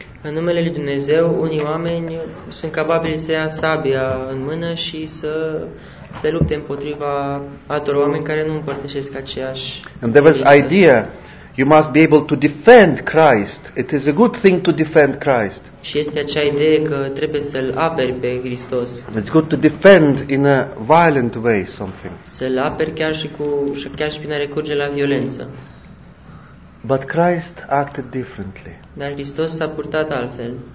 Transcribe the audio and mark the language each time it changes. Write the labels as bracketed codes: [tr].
[ro] În numele lui Dumnezeu, unii oameni sunt capabili să ia sabia în mână și să lupte împotriva altor oameni care nu împărtășesc aceeași. [en] And there was idea, you must be able to defend Christ. It is a good thing to defend Christ. [ro] Și este acea idee că trebuie să-l aperi pe Hristos. [en] It's good to defend in a violent way something. [ro] Să-l aperi chiar și prin a recurge la violență. [en] But Christ acted differently. [ro] Dar Hristos s-a purtat altfel.